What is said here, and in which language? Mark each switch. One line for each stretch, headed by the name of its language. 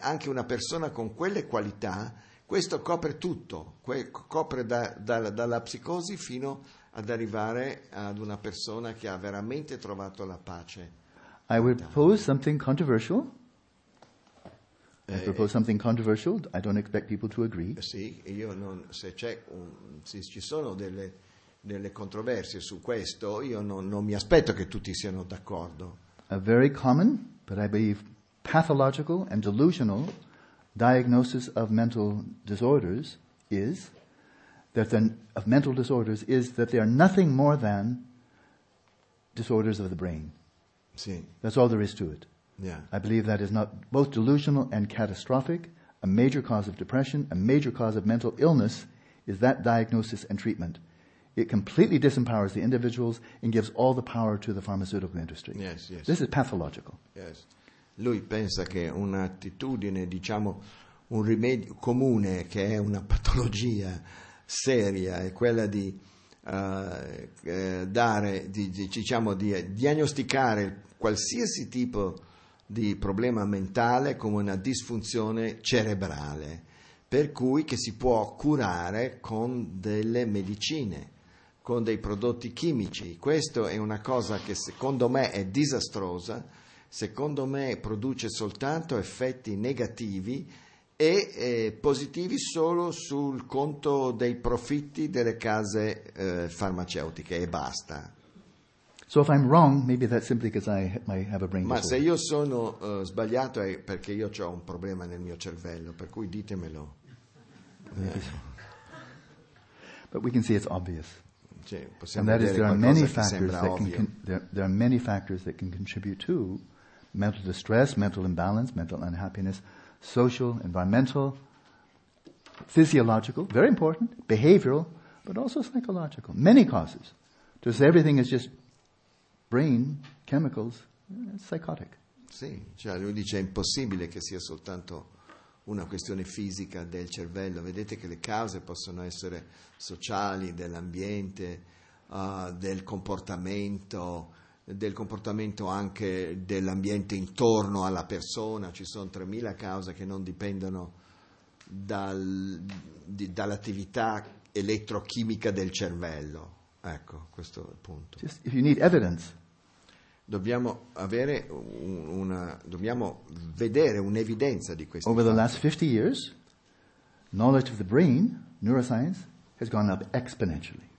Italian: Anche una persona con quelle qualità, questo copre tutto, copre dalla psicosi fino ad arrivare ad una persona che ha veramente trovato la pace.
English: I would propose something controversial. I propose something controversial. I don't expect people to agree.
Italian: Sì, io non, se c'è se ci sono delle controversie su questo, io non mi aspetto che tutti siano d'accordo.
English: A very common, but I believe pathological and delusional diagnosis of mental disorders is that they are nothing more than disorders of the brain.
Italian: Sì.
English: That's all there is to it. Yeah. I believe that is not both delusional and catastrophic. A major cause of depression, a major cause of mental illness, is that diagnosis and treatment. It completely disempowers the individuals and gives all the power to the pharmaceutical industry. Yes, yes. This is pathological. Yes.
Italian: Lui pensa che un'attitudine, diciamo, un rimedio comune, che è una patologia seria, è quella di dare, diciamo, di diagnosticare qualsiasi tipo di problema mentale come una disfunzione cerebrale, per cui che si può curare con delle medicine, con dei prodotti chimici. Questo è una cosa che secondo me è disastrosa, secondo me produce soltanto effetti negativi e positivi solo sul conto dei profitti delle case farmaceutiche e basta.
English: So if I'm wrong, maybe that's simply because I might have a brain disorder.
Italian: Ma se io sono sbagliato è perché io ho un problema nel mio cervello, per cui ditemelo.
English: Maybe so. But we can see it's obvious.
Italian: Cioè, possiamo vedere qualcosa che sembra ovvio.
English: There are many factors that can contribute to mental distress, mental imbalance, mental unhappiness, social, environmental, physiological, very important, behavioral, but also psychological. Many causes. To say everything is just brain, chemicals, it's psychotic.
Italian: Sì, cioè lui dice è impossibile che sia soltanto una questione fisica del cervello. Vedete che le cause possono essere sociali, dell'ambiente, del comportamento anche dell'ambiente intorno alla persona. Ci sono 3.000 cause che non dipendono dall'attività elettrochimica del cervello. Ecco, questo è il punto.
English: Just if you need evidence.
Italian: Dobbiamo avere una, dobbiamo vedere un'evidenza di questo.
English: Over the last 50 years, knowledge of the brain, neuroscience, has gone up exponentially.